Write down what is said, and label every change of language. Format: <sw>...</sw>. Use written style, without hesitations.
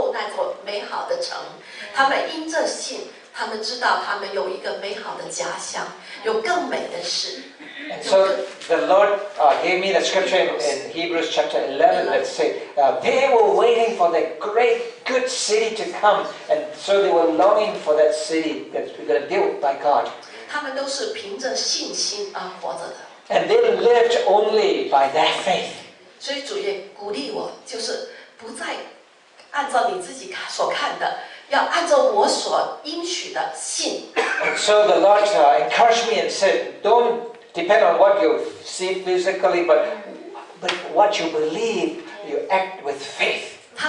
<zh>所以主就给我希伯来书十一章的时候，他们因着信等候那座美好的城，他们因着信。他们知道他们有一个美好的家乡，有更美的事。</zh> <en>And so the Lord gave me the scripture in Hebrews chapter 11 that said they were waiting for the great good city to come, and so they were longing for that city that's going to be built by God.</en> <zh>他们都是凭着信心而活着的。</zh> <en>And they lived only by their faith.</en> <zh>所以主也鼓励我，就是不再按照你自己所看的。要按照我所应许的信。And</zh> <en>so the Lord encouraged me and said, don't depend on what you see physically, but what you believe, you act with faith.</en>